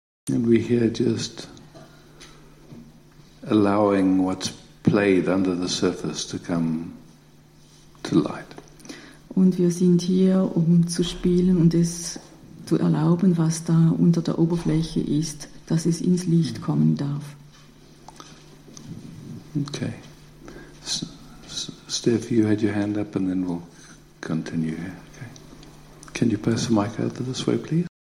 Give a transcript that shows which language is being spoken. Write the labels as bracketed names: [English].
[English] And we're here just allowing what's played under the surface to come to light. [German] Und wir sind hier, um zu spielen und es zu erlauben, was da unter der Oberfläche ist, dass es ins Licht kommen darf. [English] Okay. Steph, you had your hand up and then we'll continue here. Okay. Can you pass the mic out this way, please?